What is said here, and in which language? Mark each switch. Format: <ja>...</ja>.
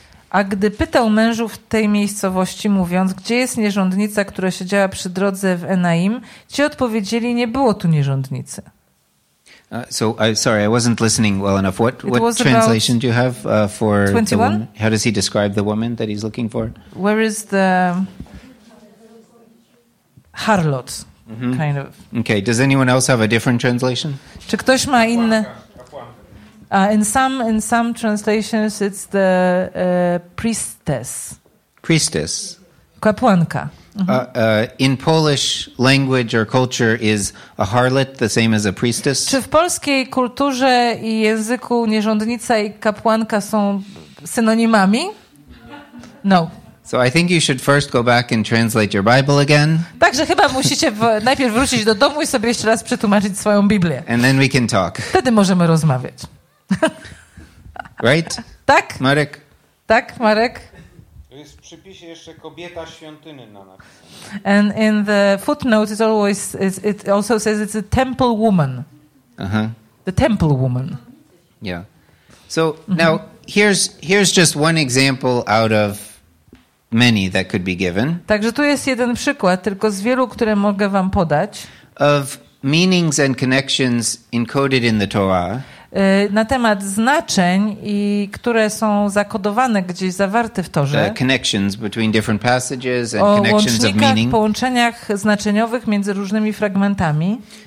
<pl>A gdy pytał mężów tej miejscowości, mówiąc, gdzie jest nierządnica, która siedziała przy drodze w Enaim, ci odpowiedzieli, nie było tu nierządnicy.</pl> <en>Sorry, I wasn't listening well enough. What translation do you have for 21? How does he describe the woman that he's looking for? Where is the harlot, mm-hmm. kind of? Okay, does anyone else have a different translation?</en> <pl>Czy ktoś ma inne?</pl> <en>In some translations, it's the priestess. Priestess.</en> <pl>Kapłanka.</pl> <en>In Polish language or culture, is a harlot the same as a priestess?</en> <pl>Czy w polskiej kulturze i języku nierządnica i kapłanka są synonimami? No.</pl> <en>So I think you should first go back and translate your Bible again.</en> <pl>Także chyba musicie najpierw wrócić do domu i sobie jeszcze raz przetłumaczyć swoją Biblię.</pl> <en>And then we can talk.</en> <pl>Wtedy możemy rozmawiać.</pl> <en>Right?</en> <pl>Tak? Marek? Tak, Marek? To jest w przypisie jeszcze kobieta świątyny na napisie.</pl> <en>And in the footnote it always it also says it's a temple woman. Uh-huh. The temple woman. Yeah. So now here's just one example out of many that could be given.</en> <pl>Także tu jest jeden przykład, tylko z wielu, które mogę wam podać.</pl> <en>Of meanings and connections encoded in the Torah.</en> <pl>Na temat znaczeń i które są zakodowane gdzieś zawarte w Torze.</pl> <en>The connections between different passages and connections of meaning.</en> <pl>O połączeniach znaczeniowych między różnymi fragmentami.</pl>